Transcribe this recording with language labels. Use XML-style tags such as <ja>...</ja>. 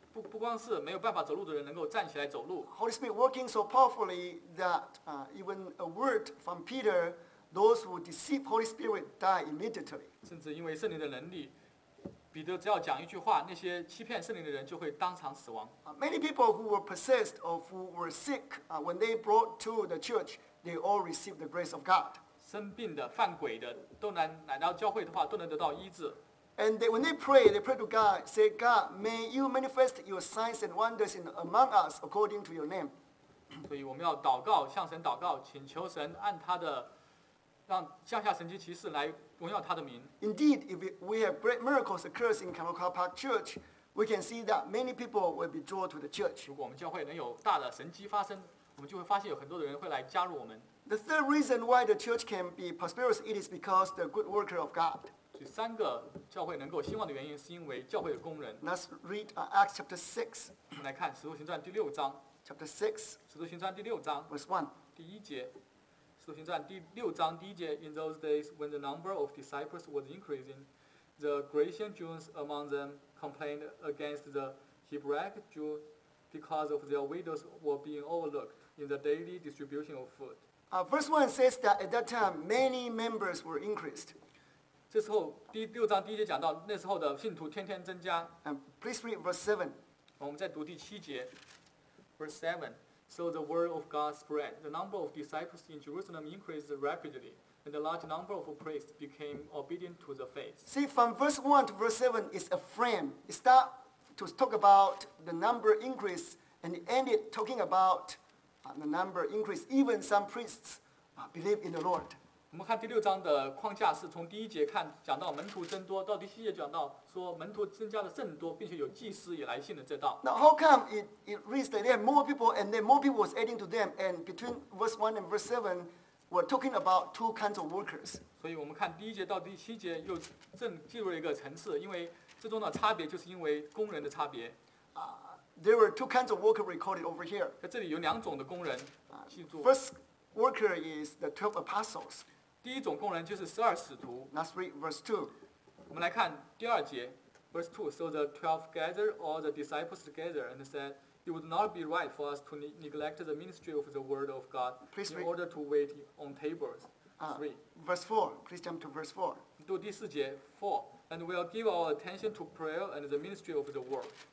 <zh>不光是没有办法走路的人能够站起来走路。</zh> <en>Holy Spirit working so powerfully that even a word from Peter, those who deceive Holy Spirit die immediately.</en> <zh>甚至因为圣灵的能力，彼得只要讲一句话，那些欺骗圣灵的人就会当场死亡。</zh> <en>Many people who were possessed or who were sick, when they brought to the church, they all received the grace of God.</en> <zh>生病的、犯鬼的，都能来到教会的话，都能得到医治。</zh> <en>And they, when they pray to God, say, God, may you manifest your signs and wonders in among us according to your name.</en> <zh>所以我们要祷告，向神祷告，请求神按他的，让降下神迹奇事来荣耀他的名。</zh> <en>Indeed, if we have great miracles occurs in Kanoka Park Church, we can see that many people will be drawn to the church.</en> <zh>如果我们教会能有大的神迹发生，我们就会发现有很多的人会来加入我们。</zh> <en>The third reason why the church can be prosperous, it is because the good worker of God.</en> <zh>所以三个教会能够兴旺的原因，是因为教会的工人。</zh> <en>Let's read Acts chapter 6.</en> <zh>我们来看《使徒行传》第六章。</zh> <en>Chapter 6.</en> <zh>使徒行传第六章。</zh> <en>Verse 1.</en> <zh>第一节，使徒行传第六章第一节</zh> <en>In those days when the number of disciples was increasing, the Grecian Jews among them complained against the Hebraic Jews because of their widows were being overlooked in the daily distribution of food. Verse 1 says that at that time many members were increased.</en> <zh>这时候第六章第一节讲到那时候的信徒天天增加。</zh> <en>Please read verse 7.</en> <zh>我们再读第七节</zh> <en>Verse 7. So the word of God spread. The number of disciples in Jerusalem increased rapidly, and a large number of priests became obedient to the faith. See, from verse 1 to verse 7 is a frame. It starts to talk about the number increase and ended talking about the number increase. Even some priests believe in the Lord.</en> <zh>我们看第六章的框架是从第一节看讲到门徒增多，到第七节讲到说门徒增加的甚多，并且有祭司也来信了这道。</zh> <en>Now how come it reads that there are more people and then more people was adding to them and between verse 1 and verse 7 we're talking about two kinds of workers.</en> <zh>所以我们看第一节到第七节又正进入了一个层次，因为这中的差别就是因为工人的差别。</zh> <en>There were two kinds of workers recorded over here.</en> <zh>在这里有两种的工人，记住。</zh> <en>First worker is the 12 apostles.</en> <zh>第一种工人就是十二使徒。</zh> <en>Let's read verse 2.</en> <zh>我们来看第二节 ,</zh> <en>verse 2. So the 12 gathered all the disciples together and said, it would not be right for us to neglect the ministry of the word of God in order to wait on tables. 3. Verse 4. Please jump to verse 4.</en> <zh>第四节</zh> <en>,4. And we'll give our attention to prayer and the ministry of the word.</en>